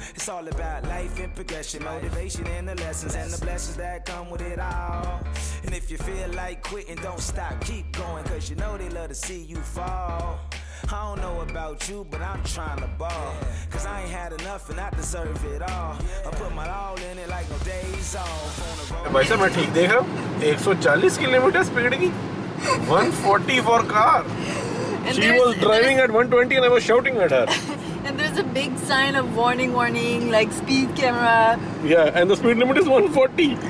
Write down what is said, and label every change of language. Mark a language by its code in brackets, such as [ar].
[en] It's all about life and progression, motivation and the lessons and the blessings that come with it all. And if you feel like quitting, don't stop, keep going, 'cause you know they love to see you fall. I don't know about you, but I'm trying to ball, 'cause I ain't had enough and I deserve it all. I put my all in it like no days off. [hi] भाई साहब मैं ठीक देख रहा हूँ, 140 kilometre speed की 140 for car. [en] And she was driving at 120 and I was shouting at her. And there's a big sign of warning, like speed camera. Yeah, and the speed limit is 140.